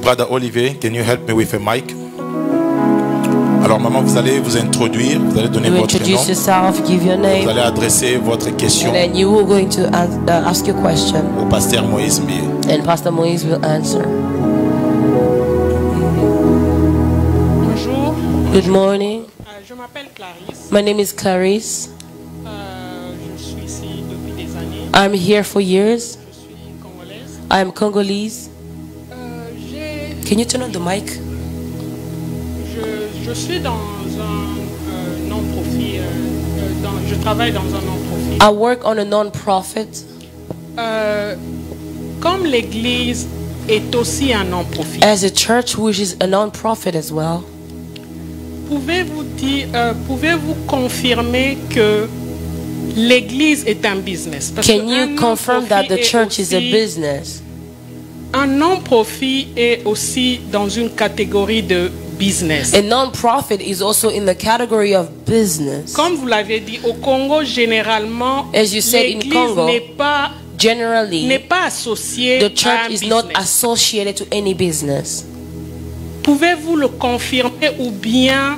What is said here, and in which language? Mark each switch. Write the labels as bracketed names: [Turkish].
[English] Brother Olivier, can you help me with a mic? [French] Alors maman, vous allez vous introduire, vous allez donner [English] you [French] votre [English] introduce yourself, give your name, [French] vous allez adresser votre question, [English] and then you are going to ask your question, [French] au pasteur Moïse Mbiye, [English] and Pastor Moïse will answer. [French] Bonjour. [English] Good morning. [French] Je m'appelle Clarisse. [English] My name is Clarisse. [French] Je suis ici depuis des années. [English] I'm here for years. [French] Je suis congolaise. [English] I'm Congolese. [French] J'ai... [English] Can you turn on the mic? [French] Je suis dans un non-profit. Je travaille dans un non-profit. [English] I work on a non-profit. [French] Comme l'église est aussi un non-profit. [English] As a church which is a non-profit as well. [French] Pouvez-vous confirmer que l'église est un business? [English] Parce can you confirm that the church is a business? [French] Un non-profit est aussi dans une catégorie de business. [English] A non-profit is also in the category of business. [French] Comme vous l'avez dit, au Congo, généralement, [English] as you said, [French] l'église [English] in Congo, [French] n'est pas, [English] generally, [French] n'est pas associée [English] the church [French] à un [English] is business. Not associated to any business. [French] Pouvez-vous le confirmer ou bien